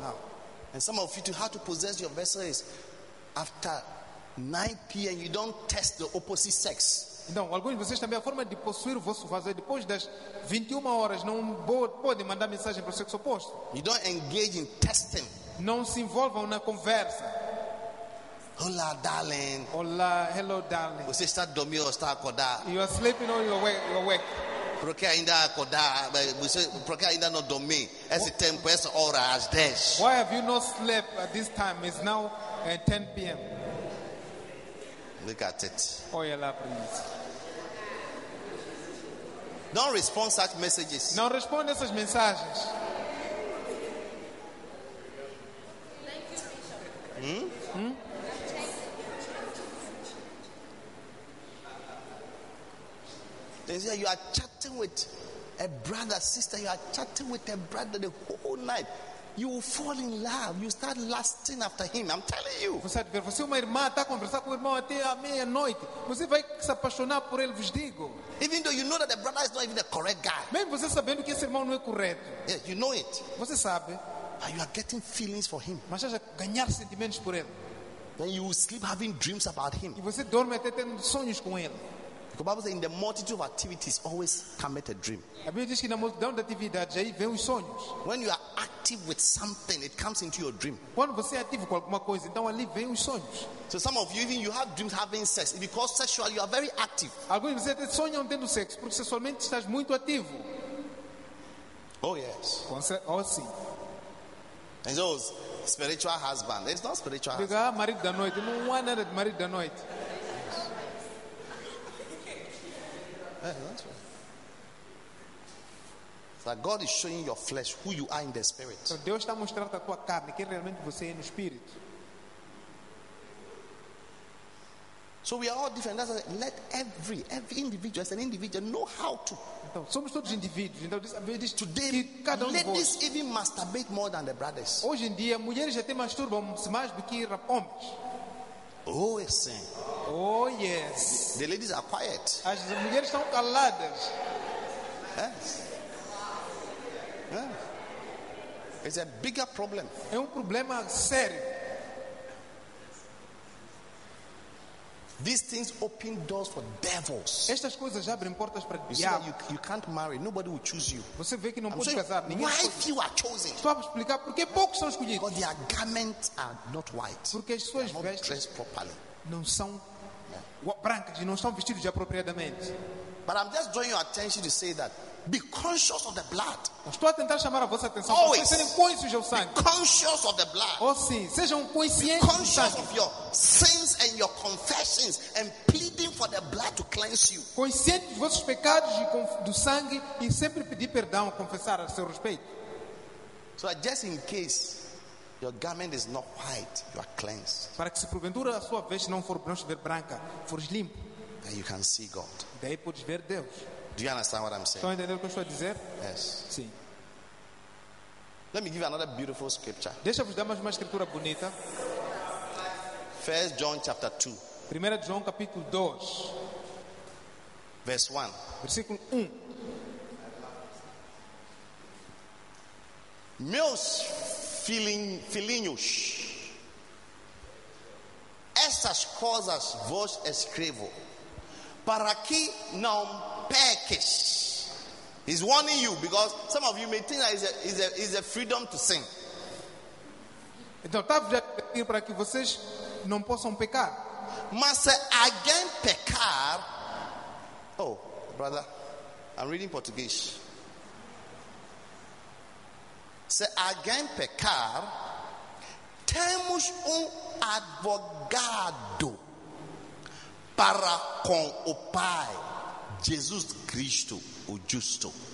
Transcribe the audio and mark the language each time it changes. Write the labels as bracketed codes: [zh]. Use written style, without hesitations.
[en] Now, and some of you, how to possess your vessel is after 9 p.m. you don't test the opposite sex. [pt] Então, alguns de vocês também, a forma de possuir o vosso vaso depois das 21 horas, não podem mandar mensagem para o sexo oposto. [en] You don't engage in testing. [pt] Não se envolvam na conversa. [en] Hola, darling. Hola, hello, darling. [pt] Você está dormindo ou está acordado? [en] You are sleeping or you are awake? [pt] Porque ainda acordar, você, porque ainda não dormi. Esse tempo, essa hora, às 10. [en] Why have you not slept at this time? It's now 10 p.m. Look at it. [pt] Olha para isso. [en] Don't respond such messages. [pt] Não responda essas mensagens. [en] They say you are chatting with a brother, sister. You are chatting with a brother the whole night. You will fall in love. You start lusting after him. I'm telling you. [pt] Você vai ver, você uma irmã está conversando com o irmão até a meia-noite. Você vai se apaixonar por ele, vos digo. [en] Even though you know that the brother is not even the correct guy. [pt] Mesmo você sabendo que esse irmão não é correto. [en] Yeah, you know it. [pt] Você sabe. [en] But you are getting feelings for him. [pt] Mas você ganhar sentimentos por ele. [en] Then you will sleep having dreams about him. [pt] E você dorme até tendo sonhos com ele. [en] Because the Bible says, in the multitude of activities, always cometh a dream. [pt] A Bíblia diz que na multidão de atividades aí vem os sonhos. [en] When you are active with something, it comes into your dream. [pt] Quando você é ativo com alguma coisa, então ali vem os sonhos. [en] So some of you, even you have dreams having sex, because sexually you are very active. [pt] Alguns de vocês sonham tendo sexo porque sexualmente estás muito ativo. [en] Oh yes. [pt] Oh sim. [en] And so, spiritual husband. It's not spiritual. [pt] Diga, marido da noite. Não há nada de marido da noite. [en] That God is showing your flesh who you are in the spirit. [pt] Então Deus está mostrando a tua carne quem realmente você é no espírito. [en] So we are all different. That's like, let every individual, as an individual, know how to. [pt] Então somos todos indivíduos. Então diz today, que cada um [en] ladies even masturbate more than the brothers. [pt] Hoje em dia, mulheres até masturbam mais do que homens. [en] Oh yes. Oh yes. The ladies are quiet. [pt] As mulheres estão caladas. [en] Yes. Yes. It's a bigger problem. [pt] É problema sério. [en] These things open doors for devils. [pt] Estas coisas abrem portas para [en] diabo. You can't marry. Nobody will choose you. [pt] Você vê que não pode casar. Ninguém. [en] Why few are chosen? [pt] Só para explicar porque poucos são escolhidos. [en] Because their garments are not white. [pt] Porque as suas vestes [en] not dressed properly. [pt] Não são brancas e não são vestidos apropriadamente. [en] But I'm just drawing your attention to say that be conscious of the blood. [pt] Estou a tentar chamar a vossa atenção. [en] Always [pt] sejam conscientes do sangue. [en] Be conscious of the blood. [pt] Oh sim, sejam conscientes. [en] Be conscious of your sins and your confessions and pleading for the blood to cleanse you. [pt] Consciente dos vossos pecados e do sangue e sempre pedir perdão, confessar a seu respeito. [en] So just in case your garment is not white, you are cleansed. [pt] Para que se porventura a sua veste não for branca, ver branca, for limpo. [en] Then you can see God. [pt] Daí podes ver Deus. [en] Do you understand what I'm saying? [pt] Estão entendendo o que eu estou a dizer? [en] Yes. [pt] Sim. [en] Let me give you another beautiful scripture. [pt] Deixa-vos dar mais uma escritura bonita. [en] 1 John chapter 2. [pt] 1 João capítulo 2. [en] Verse 1. [pt] Versículo 1. Meus filhinhos, essas coisas vos escrevo para que não peques. [en] He's warning you because some of you may think that is a freedom to sin. [pt] Então está a dizer para que vocês não possam pecar. Mas se alguém pecar, [en] oh brother, I'm reading Portuguese. [pt] Se alguém pecar, temos advogado para com o Pai, Jesus Cristo, o Justo.